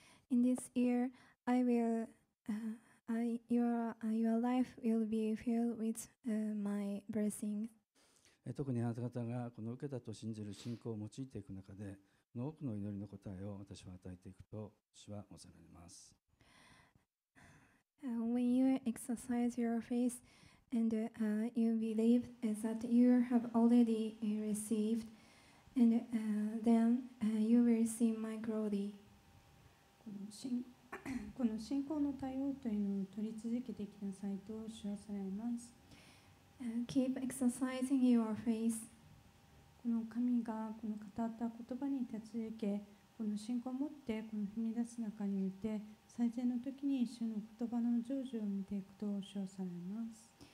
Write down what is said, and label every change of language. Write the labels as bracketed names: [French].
[English] In this year I will your life will be filled with my blessing。 [Japanese] 特にあなた方がこの受けたと信じる信仰を用いていく中で多くの祈りの答えを私は与えていくと主は仰せられます。 [English] When you exercise your faith and you believe that you have already received and then you will see my glory。 [Japanese] この信仰の対応というのを取り続けてきなさいと主はされます。 [English] Keep exercising your faith [Japanese] この神がこの語った言葉に立ち行け、この信仰を持ってこの踏み出す中にいて、最善の時に主の言葉の成就を見ていくと称されます。